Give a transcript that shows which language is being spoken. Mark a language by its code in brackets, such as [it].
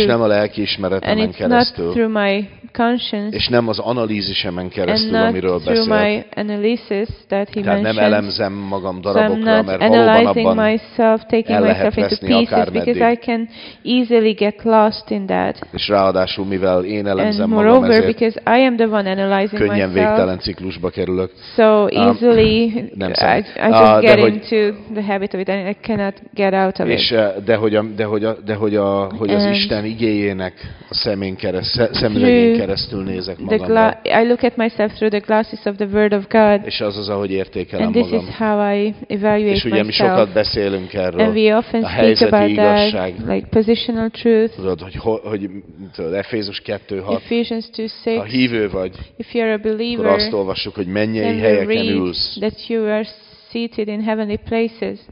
[hu] És nem a lelkiismeretemen keresztül. [en] Not through my conscience, [hu] és nem az analízisemen keresztül, [en] and not [hu] amiről beszélt. [en] My analysis that he [hu] tehát [en] mentioned. [hu] Nem elemzem magam darabokra, [en] so I'm not [hu] mert valóban abban [en] myself, taking [hu] el lehet [en] myself into [hu] veszni [en] pieces, [hu] akármeddig. [en] Because I can easily get lost in that. [hu] És ráadásul, mivel én elemzem [en] and [hu] magam, [en] over because I am the one analyzing [hu] könnyen [en] myself. [hu] Végtelen ciklusba kerülök. [en] So easily I just get into the habit of it and I cannot get out of [hu] és, [en] it. [hu] Hogy az Isten igéjének a szemén keresztül nézek magamra. [en] I look at myself through the glasses of the word of God. [hu] És az ahogy értékelem [en] and this [hu] magam. [en] Is how I evaluate [hu] és ugye [en] myself. [hu] Mi sokat beszélünk erről. [en] And we often [hu] a helyzeti [en] speak about [hu] igazság. [en] That, like positional truth. [hu] Tudod, hogy tudod, Efézus 2:6. Ha hívő vagy, [en] if you're a believer, [hu] akkor azt olvassuk, hogy mennyei helyeken ülsz. [en] That you are seated in heavenly places.